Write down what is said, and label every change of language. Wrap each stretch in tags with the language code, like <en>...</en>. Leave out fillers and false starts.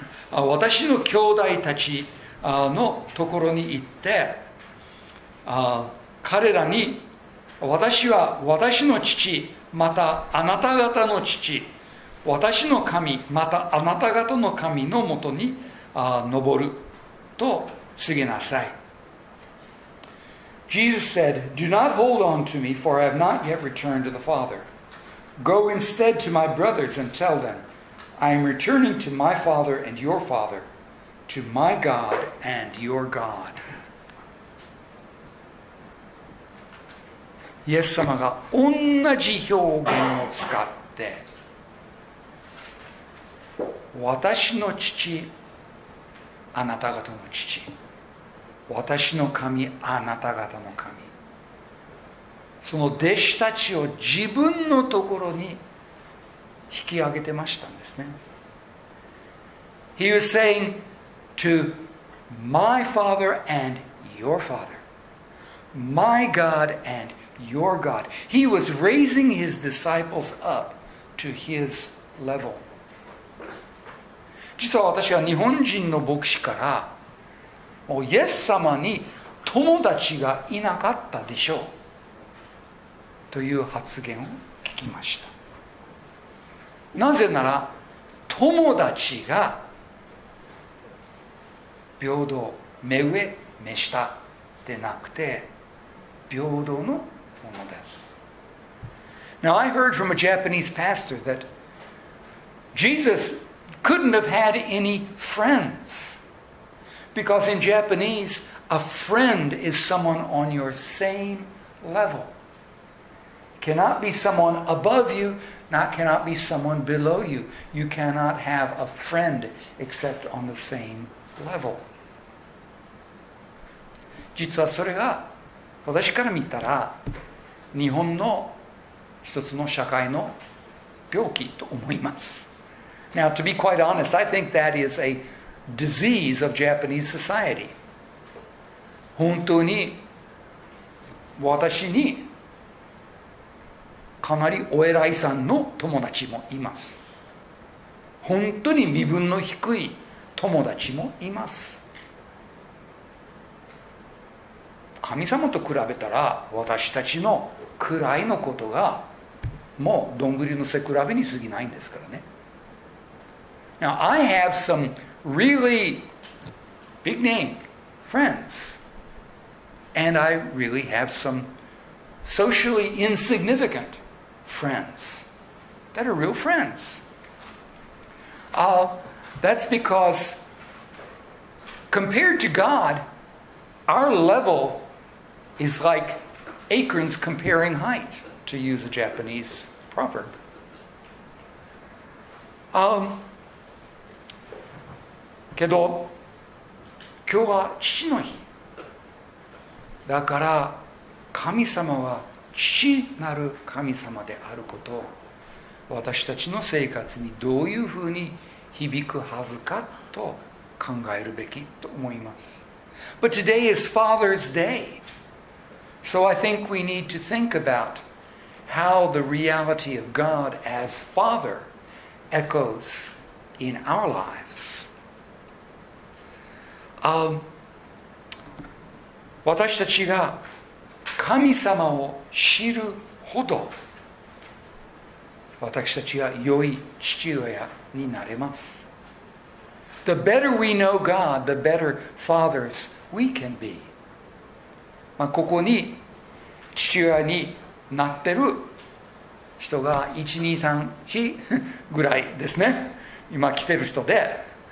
<ja>私の兄弟たちのところに行って、彼らに私は私の父、またあなた方の父、私の神、またあなた方の神のもとに登ると告げなさい。</ja> <en>Jesus said, Do not hold on to me, for I have not yet returned to the Father. Go instead to my brothers and tell them, I am returning to my Father and your Father, to my God and your God.</en> <ja>イエス様が同じ表現を使って私の父あなた方の父私の神あなた方の神その弟子たちを自分のところに引き上げてましたんですね。</ja> <en>He was saying to my father and your father my God and Your God. He was raising his disciples up to his level.</en> <ja>実は私は日本人の牧師から、もうイエス様に友達がいなかったでしょうという発言を聞きました。なぜなら、友達が平等、目上、目下でなくて平等のものです。</ja> <en>Now I heard from a Japanese pastor that Jesus couldn't have had any friends because in Japanese a friend is someone on your same level. Cannot be someone above you, not cannot be someone below you. You cannot have a friend except on the same level.</en> <ja>実はそれが私から見たら日本の一つの社会の病気と思います。</ja> <en>Now, to be quite honest, I think that is a disease of Japanese society.</en> <ja>本当に私にかなりお偉いさんの友達もいます。本当に身分の低い友達もいます。神様と比べたら私たちの位のことがもうどんぐりの背比べに過ぎないんですからね。</ja> <en>Now, I have some really big name friends, and I really have some socially insignificant friends that are real friends. That's because compared to God, our level is like acorns comparing height, to use a Japanese proverb.</en> <ja>けど今日は父の日だから神様は父なる神様であることを私たちの生活にどういうふうに響くはずかと考えるべきと思います。</ja> <en>But today is Father's Day. So I think we need to think about how the reality of God as Father echoes in our lives.</en> <ja>私たちが神様を知るほど私たちは良い父親になれます。</ja> <en>The better we know God, the better fathers we can be.</en> <ja>まあここに父親になってる人が 1,2,3,4 ぐらいですね。今来てる人で。</ja>